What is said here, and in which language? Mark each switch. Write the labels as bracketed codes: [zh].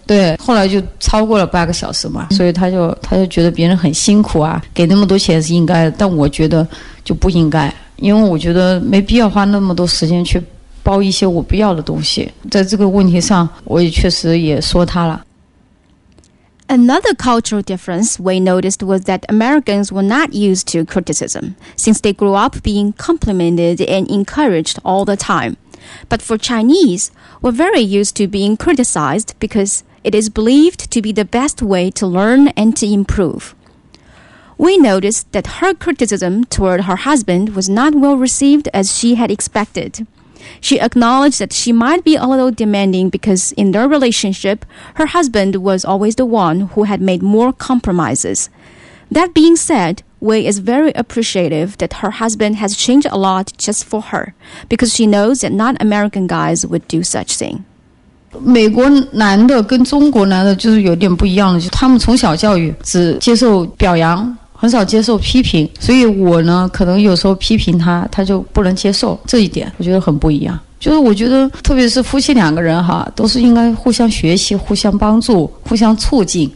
[zh] 对，后来就超过了8个小时嘛，所以他就觉得别人很辛苦啊，给那么多钱是应该的，但我觉得就不应该，因为我觉得没必要花那么多时间去包一些我不要的东西。在这个问题上我也确实也说他了。 [en] Another cultural difference we noticed was that Americans were not used to criticism, since they grew up being complimented and encouraged all the time. But for Chinese, we're very used to being criticized because it is believed to be the best way to learn and to improve. We noticed that her criticism toward her husband was not well received as she had expected. She acknowledged that she might be a little demanding because in their relationship, her husband was always the one who had made more compromises. That being said, Wei is very appreciative that her husband has changed a lot just for her, because she knows that not American guys would do such thing. [zh] 美国男的跟中国男的就是有点不一样的，就他们从小教育只接受表扬，很少接受批评，所以我呢可能有时候批评他，他就不能接受，这一点我觉得很不一样。就是我觉得特别是夫妻两个人哈，都是应该互相学习，互相帮助，互相促进。